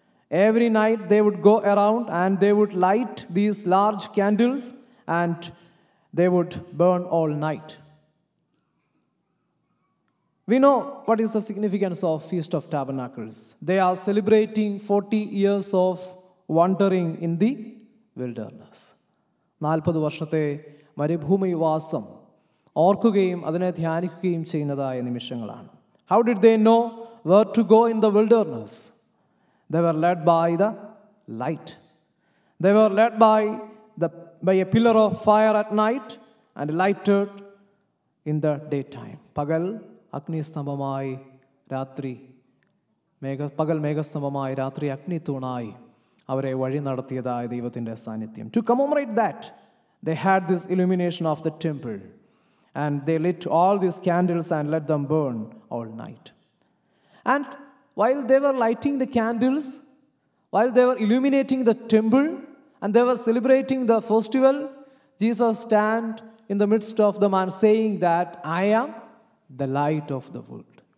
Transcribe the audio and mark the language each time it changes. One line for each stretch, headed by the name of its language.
English: Every night they would go around and they would light these large candles and they would burn all night. We know what is the significance of Feast of Tabernacles. They are celebrating 40 years of wandering in the wilderness.
Malayalam: 40 varshathe മരുഭൂമി വാസം ഓർക്കുകയും അതിനെ ധ്യാനിക്കുകയും ചെയ്യുന്നതായ നിമിഷങ്ങളാണ്.
English: How did they know where to go in the wilderness? They were led by the light. They were led by the by a pillar of fire at night and lighted in the day time.
Malayalam: പകൽ അഗ്നിസ്തംഭമായി, രാത്രി പകൽ മേഘസ്തംഭമായി, രാത്രി അഗ്നി തൂണായി അവരെ വഴി നടത്തിയതായ ദൈവത്തിൻ്റെ സാന്നിധ്യം.
English: To commemorate that, They had this illumination of the temple, and they lit all these candles and let them burn all night. And while they were lighting the candles, while they were illuminating the temple, and they were celebrating the festival, Jesus stand in the midst of them and saying that, "I am the light of the world."